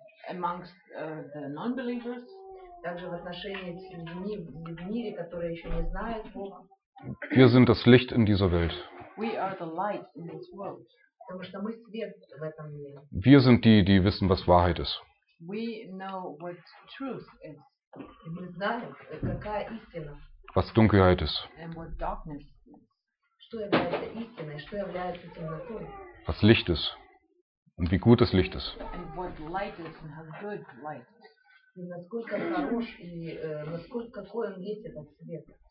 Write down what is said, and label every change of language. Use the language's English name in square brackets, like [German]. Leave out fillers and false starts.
[English] Amongst the non-believers. [Russian] Также в отношении с людьми в мире, которые еще не знают Бога. [German] Wir sind das Licht in dieser Welt. [English] We are the light in this world. [Russian] Потому что мы свет в этом мире. [German] Wir sind die, die wissen, was Wahrheit ist. [English] We know what truth is. [Russian] Мы знаем, какая истина. [German] Was Dunkelheit ist. [English] And what darkness is. [Russian] Что является истиной, что является темнотой. [German] Was Licht ist. Und wie gut das Licht ist. [English] And what light is and how good light is. [Russian] И насколько хорош и какой он есть этот свет.